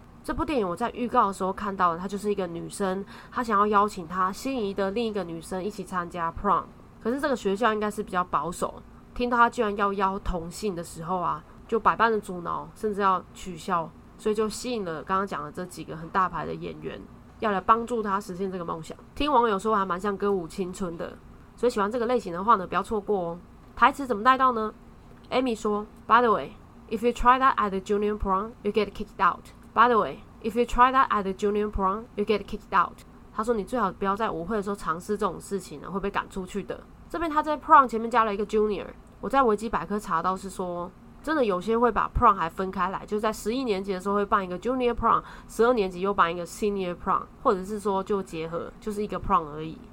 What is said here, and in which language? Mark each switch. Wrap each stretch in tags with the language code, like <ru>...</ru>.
<zh>这部电影我在预告的时候看到的，他就是一个女生，他想要邀请他心仪的另一个女生一起参加 prom， 可是这个学校应该是比较保守，听到他居然要邀同性的时候啊，就百般的阻挠，甚至要取消，所以就吸引了刚刚讲的这几个很大牌的演员要来帮助他实现这个梦想。听网友说还蛮像歌舞青春的，所以喜欢这个类型的话呢，不要错过哦。台词怎么带到呢？</zh> <en>Amy 说 By the way, if you try that at the junior prom, you get kicked out. By the way, if you try that at the junior prom, you get kicked out.</en> <zh>他说你最好不要在舞会的时候尝试这种事情呢，会被赶出去的。这边他在 prom 前面加了一个 junior， 我在维基百科查到是说，真的有些会把 prom 还分开来，就在11年级的时候会办一个 junior prom， 12年级又办一个 senior prom， 或者是说就结合，就是一个 prom 而已。</zh>